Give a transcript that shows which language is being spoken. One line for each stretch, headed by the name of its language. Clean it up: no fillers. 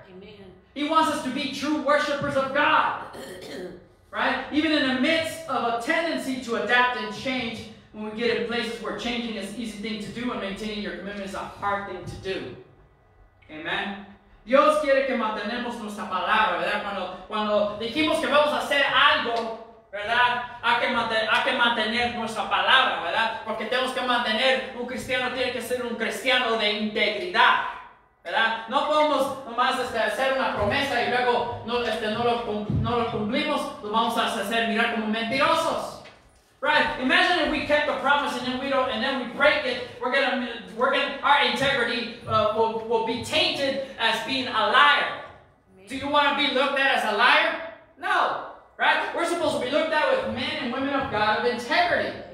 English: Amen. He wants us to be true worshipers of God. Right? Even in the midst of a tendency to adapt and change, when we get in places where changing is an easy thing to do and maintaining your commitment is a hard thing to do.
Spanish: Amen? Dios quiere que mantenemos nuestra palabra, ¿verdad? Cuando dijimos que vamos a hacer algo, ¿verdad? Hay que mantener nuestra palabra, ¿verdad? Porque tenemos que mantener, un cristiano tiene que ser un cristiano de integridad. ¿Verdad? No podemos nomás hacer una promesa y luego no lo cumplimos, lo vamos a hacer mirar como mentirosos.
English: Right? Imagine if we kept a promise and then we break it, our integrity will be tainted as being a liar. Do you want to be looked at as a liar? No. Right? We're supposed to be looked at with men and women of God of integrity.